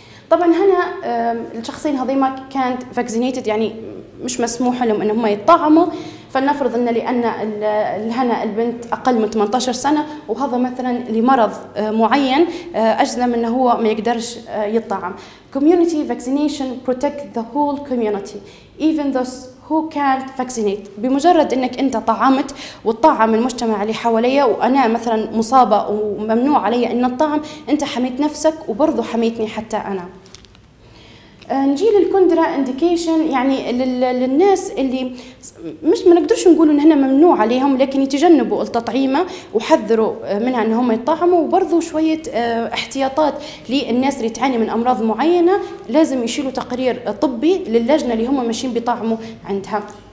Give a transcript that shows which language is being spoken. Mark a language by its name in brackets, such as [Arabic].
[Arabic] طبعا هنا الشخصين هذي ما كانت vaccinated يعني مش مسموح لهم انهم يتطعموا، فلنفرض ان لان الهنا البنت اقل من 18 سنة وهذا مثلا لمرض معين اجزم انه هو ما يقدرش يتطعم. [English] Community vaccination protect the whole community even those who can't vaccinate. [Arabic] بمجرد انك انت طعمت وطعم المجتمع اللي حواليا وانا مثلا مصابة وممنوع علي ان الطعم، انت حميت نفسك وبرضو حميتني حتى انا. نجي للكوندرا انديكيشن يعني للناس اللي مش ما نقدرش نقول ان هنا ممنوع عليهم، لكن يتجنبوا التطعيمه وحذروا منها ان هم يطعموا، وبرضو شويه احتياطات للناس اللي تعاني من امراض معينه لازم يشيلوا تقرير طبي للجنه اللي هم ماشيين بيطعموا عندها.